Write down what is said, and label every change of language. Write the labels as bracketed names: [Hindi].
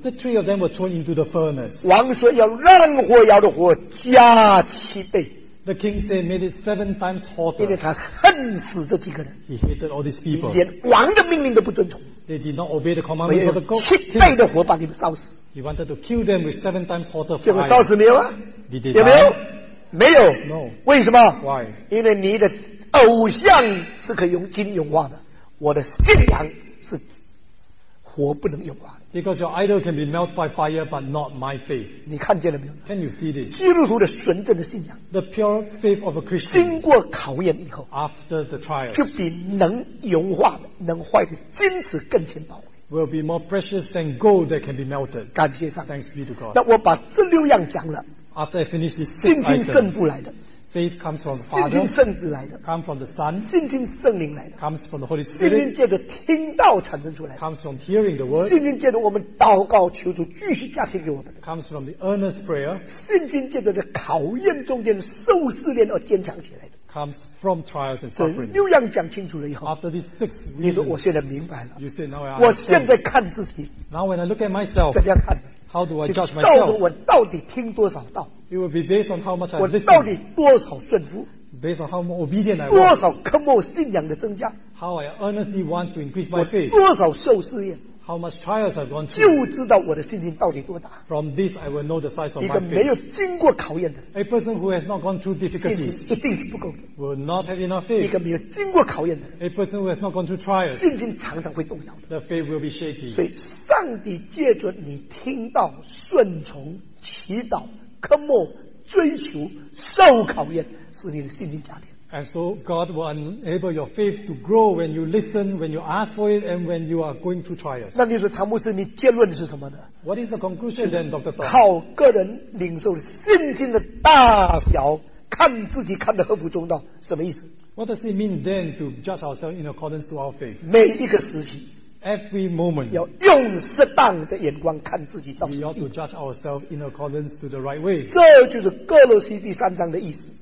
[English] The three of them were thrown into the furnace. [Chinese] 王说要让火窑的火加七倍。 [English] The king said, made it seven times hotter. [Chinese] 因为他恨死这几个人。 [English] He hated all these people. [Chinese] 连王的命令都不遵从。 [English] They did not obey the commandments of the king. [Chinese] 七倍的火把你们烧死。 [English] He wanted to kill them with seven times hotter fire. [Chinese] 结果烧死没有啊？ [English] Did they die? [Chinese] 有没有？没有。 [English] No. [Chinese] 为什么？ [English] Why? [Chinese] 因为你的偶像是可以用金融化的，我的信仰是火不能融化。 [English] Because your idol can be melted by fire, but not my faith. [Chinese] 你看见了没有？ [English] Can you see this? [Chinese] 基督徒的纯正的信仰， [English] the pure faith of a Christian. [Chinese] 经过考验以后， [English] after the trials, [Chinese] 就比能融化的、能坏的金子更显宝贵。 [English] Will be more precious than gold that can be melted. [Chinese] 感谢上帝。 [English] Thanks be to God. [Chinese] 那我把这六样讲了。 [English] After I finish this, [Chinese] 信心胜负来的。 [English] Faith comes from the Father. [Chinese] 信心圣子来的。 [English] Come from the Son. [Chinese] 信心圣灵来的。 [English] Comes from the Holy Spirit. [Chinese] 信心借着听道产生出来的。 [English] Comes from hearing the word. [Chinese] 信心借着我们祷告求主继续加添给我们的。 [English] Comes from the earnest prayer. [Chinese] 信心借着在考验中间受试炼而坚强起来的。 [English] Comes from trials and suffering. [Chinese] 六样讲清楚了以后。 [English] After these six reasons. [Chinese] 你说我现在明白了。 [English] You say now I understand. [Chinese] 我现在看自己。 [English] Now when I look at myself. [Chinese] 怎样看？ [English] How do I judge myself? [Chinese] 照着我到底听多少道？ [English] It will be based on how much I listen. [Chinese] 我到底多少顺服？ [English] Based on how much obedient I was. [Chinese] 多少渴慕信仰的增加？ [English] How I earnestly want to increase my faith. [Chinese] 多少受试验？ [English] How much trials I've gone through. [Chinese] 就知道我的信心到底多大。 [English] From this I will know the size of my faith. [Chinese] 一个没有经过考验的。 [English] A person who has not gone through difficulties. [Chinese] 信心一定是不够的。 [English] Will not have enough faith. [Chinese] 一个没有经过考验的。 [English] A person who has not gone through trials. [Chinese] 信心常常会动摇的。 [English] The faith will be shaky. [Chinese] 所以上帝借着你听到顺从祈祷渴慕追求受考验使你的信心加添。 [English] And so God will enable your faith to grow when you listen, when you ask for it, and when you are going through trials. [Chinese] 那你说唐牧师，你结论是什么呢？ [English] What is the conclusion then, Dr. Tom? [Chinese] 靠个人领受信心的大小，看自己看得合乎中道，什么意思？ [English] What does it mean then to judge ourselves in accordance to our faith? [Chinese] 每一个时期。 [English] Every moment, [Chinese] 要用适当的眼光看自己到底。 [English] We ought to judge ourselves in accordance to the right way. [Chinese] 这就是哥罗西第三章的意思。